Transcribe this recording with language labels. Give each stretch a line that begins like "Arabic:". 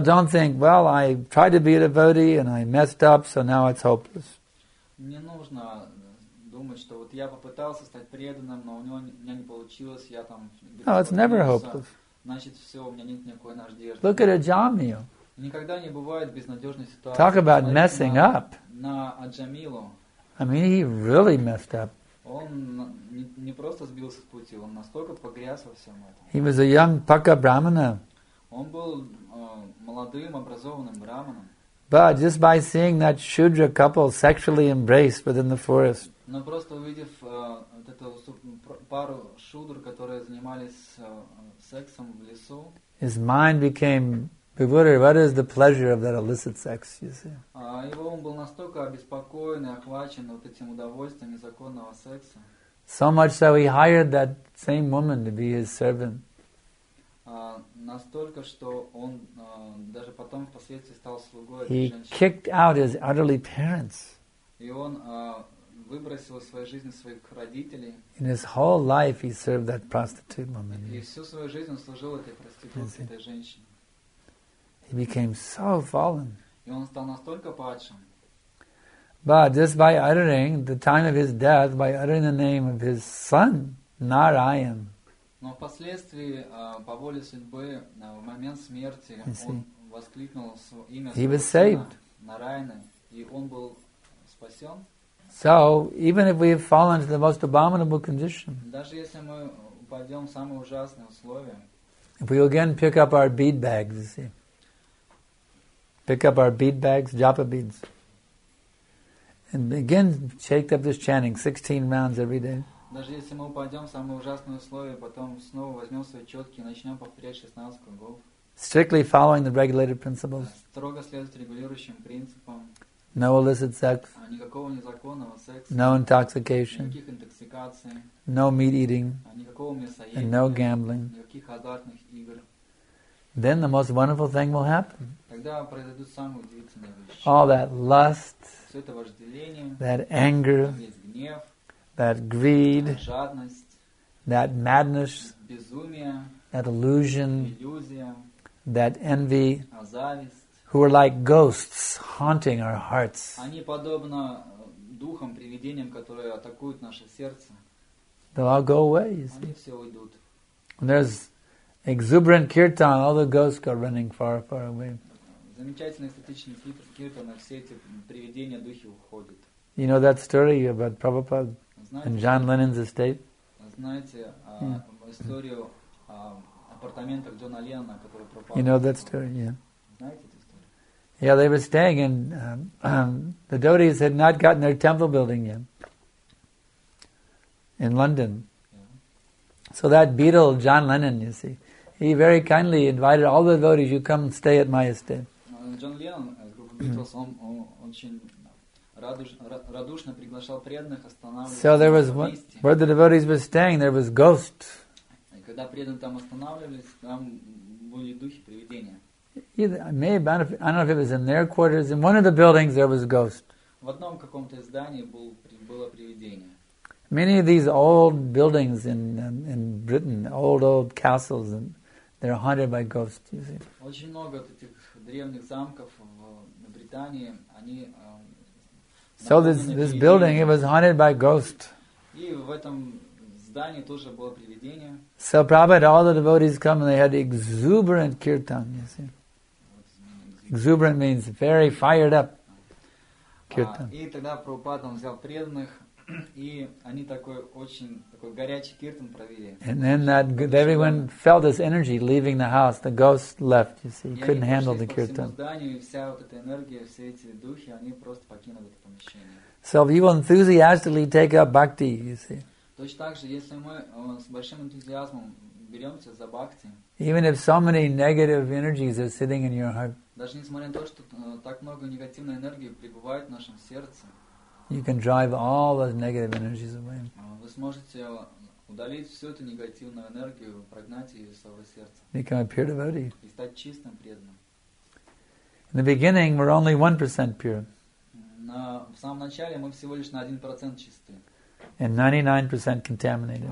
English: don't think, well, I tried to be a devotee and I messed up, so now it's hopeless.
Russian: Не нужно думать, что вот я попытался стать преданным, но у меня не получилось, я там.
English: No, it's never hopeless.
Russian: Значит, все, у меня нет никакой надежды.
English: Look at Аджамию.
Russian: Никогда не бывает безнадежной ситуации.
English: Talk about messing up.
Russian: На Аджамилу.
English: I mean, he really messed up.
Russian: Он не просто сбился с пути, он настолько погряз во всем этом.
English: He was a young Paka Brahmana.
Russian: Он был молодым, образованным брахманом.
English: But just by seeing that Shudra couple sexually embraced within the forest.
Russian: Но просто увидев вот эту пару шудр, которые занимались сексом в лесу.
English: His mind became bewildered. What is the pleasure of that illicit sex, you see?
Russian: Его он был настолько обеспокоен и охвачен вот этим удовольствием незаконного секса.
English: So much so he hired that same woman to be his servant.
Russian: Настолько, что он даже потом впоследствии стал слугой этой женщины.
English: He kicked out his elderly parents.
Russian: И он выбросил из своей жизни своих родителей.
English: In his whole life he served that prostitute woman.
Russian: И всю свою жизнь он служил этой проституции, этой женщине.
English: He became so fallen.
Russian: И он стал настолько падшим.
English: But just by uttering the time of his death, by uttering the name of his son, Narayan.
Russian: Но впоследствии, по воле судьбы, в момент смерти, он воскликнул имя своего сына, Нараяна, и он был спасен.
English: So, even if we have fallen to the most abominable condition,
Russian: даже если мы упадем в самые ужасные условия,
English: if we again pick up our bead bags, you see, pick up our bead bags, japa beads, and again shake up this chanting 16 rounds every day.
Russian: Даже если мы упадем в самые ужасные условия, потом снова возьмем свои четки и начнем повторять 16 кругов.
English: Strictly following the regulated principles.
Russian: Строго следовать регулирующим принципам.
English: No illicit sex.
Russian: Никакого незаконного секса.
English: No intoxication.
Russian: Никаких интоксикаций.
English: No meat eating.
Russian: Никакого мясоедения.
English: And no gambling.
Russian: Никаких азартных игр.
English: Then the most wonderful thing will happen.
Russian: Тогда произойдут самые удивительные вещи.
English: All that lust.
Russian: Все это вожделение.
English: That anger.
Russian: Весь гнев.
English: That greed,
Russian: жадность,
English: that madness,
Russian: безумие,
English: that illusion,
Russian: иллюзия,
English: that envy,
Russian: зависть,
English: who are like ghosts haunting our hearts.
Russian: Они подобно духам, привидениям, которые атакуют наше сердце.
English: They'll all go away.
Russian: Они все уйдут.
English: When there's exuberant kirtan, all the ghosts go running far, far away.
Russian: Замечательный эстетичный киртан, все эти привидения, духи уходят.
English: You know that story about Prabhupada? And John Lennon's estate.
Russian: Знаете, историю апартамента Джона Леннона, который пропал.
English: You know that story, yeah.
Russian: Знаете эту историю?
English: Yeah, they were staying and the devotees had not gotten their temple building yet in London. Yeah. So that beetle, John Lennon, you see, he very kindly invited all the devotees, you come stay at my estate.
Russian: John Lennon, Beatles, он очень радушно приглашал преданных останавливаться.
English: So there was one, where the devotees were staying, there was ghosts.
Russian: Когда преданные там останавливались, там были духи, привидения.
English: Maybe, I don't know if it was in their quarters, in one of the buildings there was ghost.
Russian: В одном каком-то здании было привидение.
English: Many of these old buildings in Britain, old castles, and they're haunted by ghosts, you see.
Russian: Очень много этих древних замков в Британии, они
English: So this building, it was haunted by ghosts.
Russian: И в этом здании тоже было привидение.
English: So Prabhupada, all the devotees come and they had exuberant kirtan, you see. Exuberant means very fired up kirtan.
Russian: И тогда Прабхупада взял преданных, и они такой очень такой горячий киртан провели.
English: And then that everyone felt this energy leaving the house. The ghost left, you see, couldn't handle the kirtan.
Russian: И вся вот эта энергия, все эти духи, они просто покинули это помещение.
English: So if you enthusiastically take up bhakti, you see.
Russian: Точно так же, если мы с большим энтузиазмом беремся за бхакти.
English: Even if so many negative energies are sitting in your heart.
Russian: Даже несмотря на то, что так много негативной энергии пребывает в нашем сердце.
English: You can drive all those negative energies away.
Russian: Вы сможете удалить всю эту негативную энергию, прогнать ее из своего сердца.
English: Become a pure devotee.
Russian: И стать чистым преданным.
English: In the beginning, we're only 1% pure.
Russian: В самом начале мы всего лишь на 1% чисты.
English: And 99% contaminated.